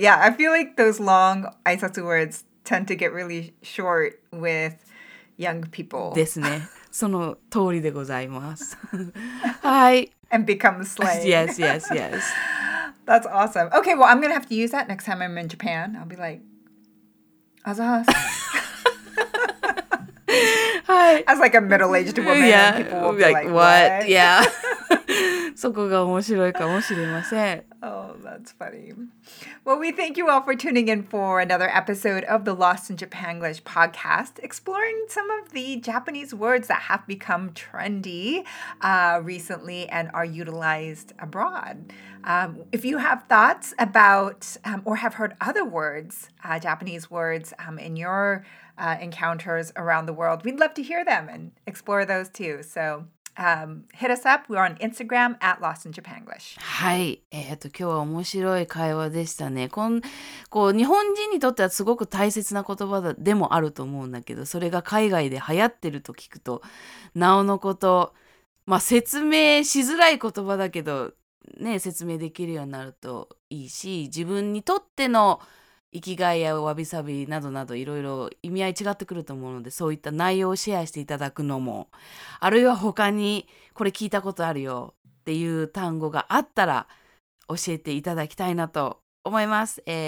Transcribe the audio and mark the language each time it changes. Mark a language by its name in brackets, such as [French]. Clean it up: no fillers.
[English] Yeah, I feel like those long 挨拶 words tend to get really short withyoung people. [Japanese] ですね。その通りでございます。はい。 [English] And become slang. Yes, yes, yes. That's awesome. Okay, well, I'm going to have to use that next time I'm in Japan. I'll be like, azahas. Hi. As like a middle-aged woman. Yeah. People will be like, what? Yeah. [Japanese] そこが面白いかもしれません。 [English] Oh, that's funny. Well, we thank you all for tuning in for another episode of the Lost in Japanglish podcast, exploring some of the Japanese words that have become trendy recently and are utilized abroad. If you have thoughts about or have heard other words, Japanese words in your encounters around the world, we'd love to hear them and explore those too. So... hit us up. We're on Instagram at Lost in Japanglish. [Japanese] はい。今日は面白い会話でしたね。こう日本人にとってはすごく大切な言葉でもあると思うんだけど、それが海外で流行ってると聞くと、なおのこと、まあ説明しづらい言葉だけど、ね、説明できるようになるといいし、自分にとっての生きがいやわびさびなどなどいろいろ意味合い違ってくると思うので、そういった内容をシェアしていただくのも、あるいは他にこれ聞いたことあるよっていう単語があったら教えていただきたいなと思います。